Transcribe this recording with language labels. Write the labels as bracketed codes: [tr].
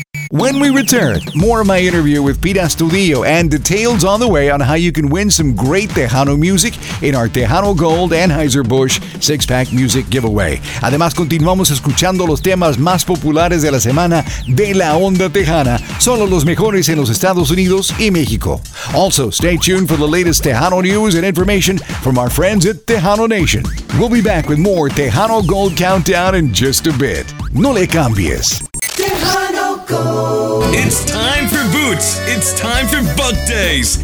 [en] When we return, more of my interview with Pete Astudillo and details on the way on how you can win some great Tejano music in our Tejano Gold Anheuser-Busch six-pack music giveaway. [es] Además, continuamos escuchando los temas más populares de la semana de La Onda Tejana, solo los mejores en los Estados Unidos y México. [en] Also, stay tuned for the latest Tejano news and information from our friends at Tejano Nation. We'll be back with more Tejano Gold Countdown in just a bit. [es] No le cambies. [en] It's time for boots. It's time for buck days.